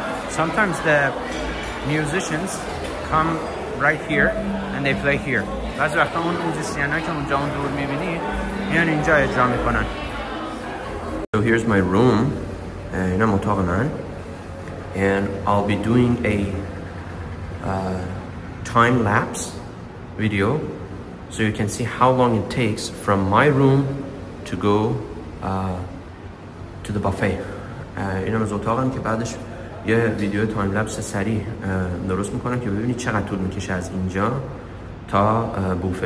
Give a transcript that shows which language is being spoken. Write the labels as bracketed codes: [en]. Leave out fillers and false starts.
[en] Sometimes the musicians come right here and they play here. [fa] بعض وقتا اون موزیسیان هایی که اونجا اون دور میبینید میان اینجا اجرا میکنن. [en] So here's my room, and I'm talking man, and I'll be doing a time lapse video, so you can see how long it takes from my room to go to the buffet. [fa] این هم از اتاقم که بعدش یه ویدیو time lapse سریع درست میکنم که ببینید چقدر طول میکشه از اینجا تا بوفه.